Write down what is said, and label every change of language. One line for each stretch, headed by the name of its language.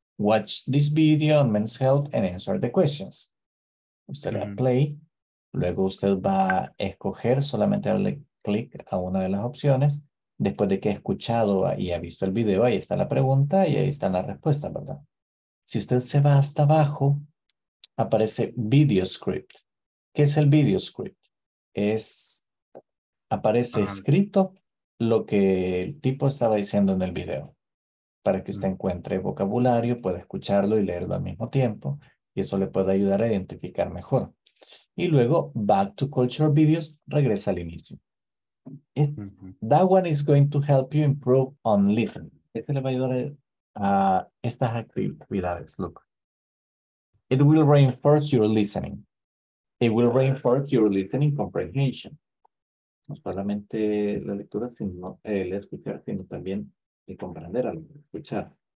English: Watch this video on Men's Health and answer the questions.
Spanish: Usted le da play. Luego usted va a escoger, solamente darle clic a una de las opciones. Después de que ha escuchado y ha visto el video, ahí está la pregunta y ahí está la respuesta, ¿verdad? Si usted se va hasta abajo, aparece Video Script. ¿Qué es el Video Script? Aparece escrito lo que el tipo estaba diciendo en el video. Para que usted encuentre vocabulario, pueda escucharlo y leerlo al mismo tiempo. Y eso le puede ayudar a identificar mejor. Y luego,
English: back to culture videos,
Spanish: regresa al inicio.
English: That one is going to help you improve on listening.
Spanish: Este le va a ayudar a estas actividades.
English: Look. It will reinforce your listening. It will reinforce your listening comprehension. No solamente la lectura, sino el escuchar, sino también el comprender al escuchar.